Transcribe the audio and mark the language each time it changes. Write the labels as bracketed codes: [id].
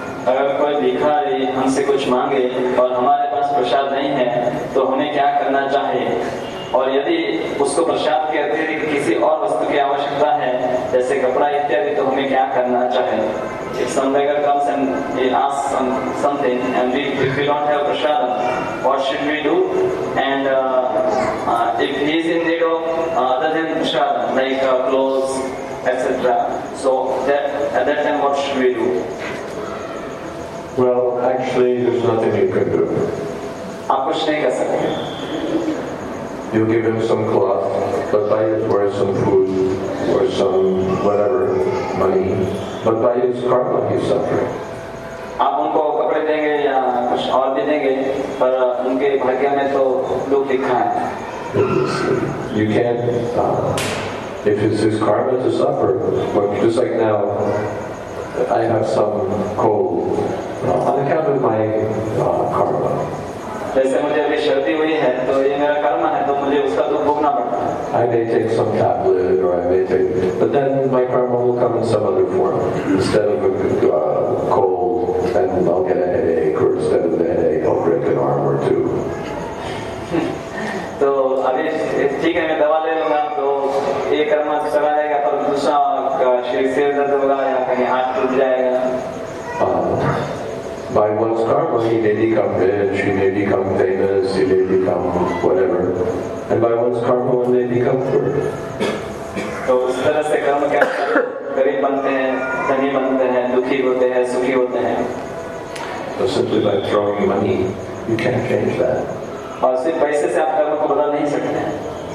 [hi] अगर कोई भिखारी हमसे कुछ मांगे और हमारे पास प्रसाद नहीं है तो हमें क्या करना चाहिए, और यदि उसको प्रसाद के अतिरिक्त किसी और वस्तु की आवश्यकता है जैसे कपड़ा इत्यादि तो हमें क्या करना चाहिए? [en] If some beggar comes and he asks something and if we don't have prasadam, what should we do? And if he is in need of other than prasadam, like clothes, etc., so that, at that time, what should we do? Well, actually, there's nothing you can do. [hi] Aap kuch nahi kar sakte. [en] You give him some cloth, but buy his wife some food or some whatever money. But by his karma, he's suffering. [hi] आप उनको कपड़े देंगे या कुछ और भी देंगे, पर उनके भाग्य में तो दुख लिखा है. [en] You can't. If it's his karma to suffer, but just like now, I have some cold on account of my karma. [hi] जैसे मुझे अभी सर्दी हुई है, तो ये मेरा कर्मा है, तो मुझे उसका दुख भोगना पड़ता है. [en] I may take some tablet or I may take, but then my karma will come in some other form. Instead of a cold, then I'll get a headache, or instead of the headache, I'll break an arm or two. [hi] So, ठीक है, मैं दवा ले लूँगा, तो ये कर्म चला जाएगा, पर दूसरा शरीर दर्द होगा या कहीं हाथ टूट जाएगा. [en] By one's karma, he may become rich, he may become famous, he may become whatever. And by one's karma, one may become poor. [hi] So, उस तरह से कर्म क्या है? गरीब बनते हैं, धनी बनते हैं, दुखी होते हैं, सुखी होते हैं. [en] So, simply by throwing money, you can't change that. [hi] और सिर्फ पैसे से आप कर्म को बदल नहीं सकते हैं.